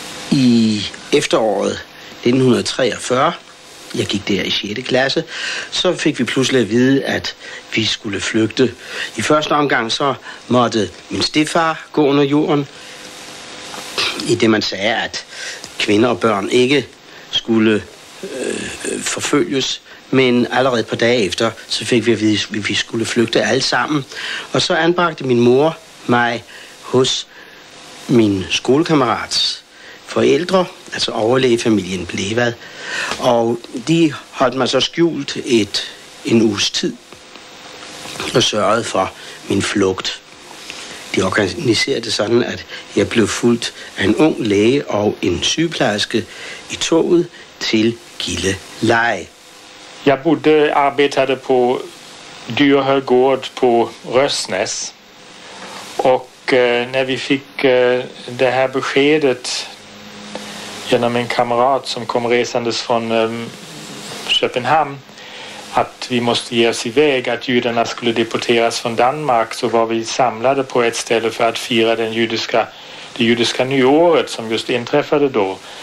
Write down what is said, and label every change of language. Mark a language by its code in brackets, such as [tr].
[sv] I efteråret 1943, jag gick där i 6:e klass, så fick vi plötsligt att veta att vi skulle flykte. I första omgång så måtte min stefar gå under jorden. I det man sa att kvinnor och barn inte skulle förföljas. [da] Men allerede på dage efter, så fik vi at vide, at vi skulle flygte alle sammen. Og så anbragte min mor mig hos min skolekammerats forældre, altså overlægefamilien Blevad. Og de holdt mig så skjult en uges tid og sørgede for min flugt. De organiserede det sådan, at jeg blev fulgt af en ung læge og en sygeplejerske i toget til Gilleleje. [sv] Jag bodde arbetade på Dyrhögård på Rösnäs. Och när vi fick det här beskedet genom en kamrat som kom resandes från Köpenhamn att vi måste ge oss iväg, att judarna skulle deporteras från Danmark, så var vi samlade på ett ställe för att fira det judiska nyåret som just inträffade då.